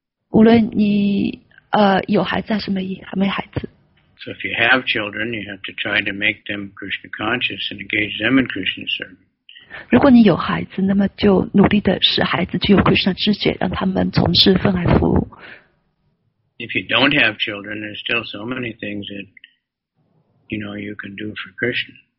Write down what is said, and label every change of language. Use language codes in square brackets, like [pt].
[zh] 无论你有孩子还是没孩子。 [en] So if you have children, you have to try to make them Krishna conscious and engage them in Krishna service. [zh] 如果你有孩子，那么就努力的使孩子具有 Krishna 知觉，让他们从事分爱服务。 [en] If you don't have children, there's still so many things that you know you can do for Krishna.